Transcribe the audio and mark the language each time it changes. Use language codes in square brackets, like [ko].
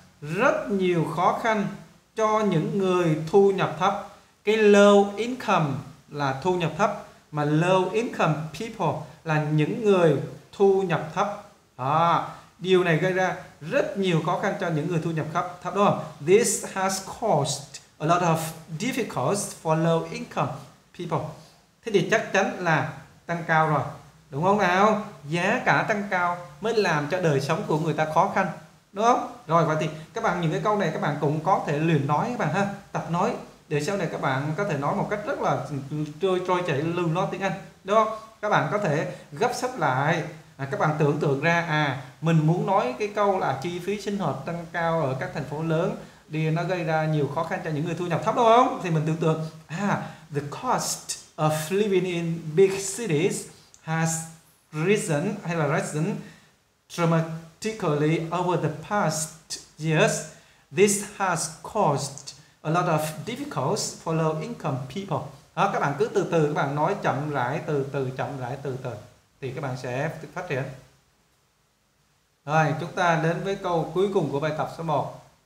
[vi] Rất nhiều khó khăn cho những người thu nhập thấp. Cái low income là thu nhập thấp, mà low income people là những người thu nhập thấp. Điều này gây ra rất nhiều khó khăn cho những người thu nhập thấp, đúng không? [en] This has caused a lot of difficulties for low income people. [vi] Thế thì chắc chắn là tăng cao rồi, đúng không nào? Giá cả tăng cao mới làm cho đời sống của người ta khó khăn, đúng không? Rồi vậy thì các bạn những cái câu này các bạn cũng có thể luyện nói các bạn ha, tập nói để sau này các bạn có thể nói một cách rất là trôi chảy lưu loát tiếng Anh, đúng không? Các bạn có thể gấp sắp lại, các bạn tưởng tượng ra mình muốn nói cái câu là chi phí sinh hoạt tăng cao ở các thành phố lớn thì nó gây ra nhiều khó khăn cho những người thu nhập thấp, đúng không? Thì mình tưởng tượng [en] the cost of living in big cities has risen [vi] hay là [en] risen dramatically over the past years. This has caused a lot of difficulties for low income people. [vi] Đó, các bạn cứ từ từ, các bạn nói chậm rãi, từ từ, chậm rãi, từ từ thì các bạn sẽ phát triển. Rồi, chúng ta đến với câu cuối cùng của bài tập số 1.